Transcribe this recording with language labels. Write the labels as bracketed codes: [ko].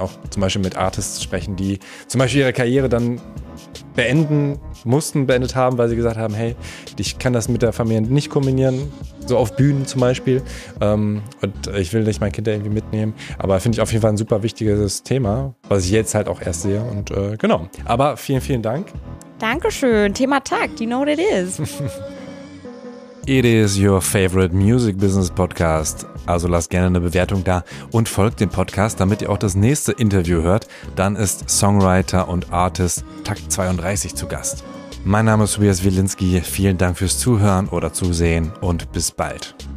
[de] Auch zum Beispiel mit Artists sprechen, die zum Beispiel ihre Karriere dann beendet haben, weil sie gesagt haben, hey, ich kann das mit der Familie nicht kombinieren, so auf Bühnen zum Beispiel, und ich will nicht mein Kind irgendwie mitnehmen, aber finde ich auf jeden Fall ein super wichtiges Thema, was ich jetzt halt auch erst sehe und genau, aber vielen, vielen Dank. Dankeschön, [en] Thema Takt, you know what it is. It is your favorite music business podcast. [de] Also lasst gerne eine Bewertung da und folgt dem Podcast, damit ihr auch das nächste Interview hört. Dann ist Songwriter und Artist Takt 32 zu Gast. Mein Name ist Tobias Wielinski. Vielen Dank fürs Zuhören oder Zusehen und bis bald.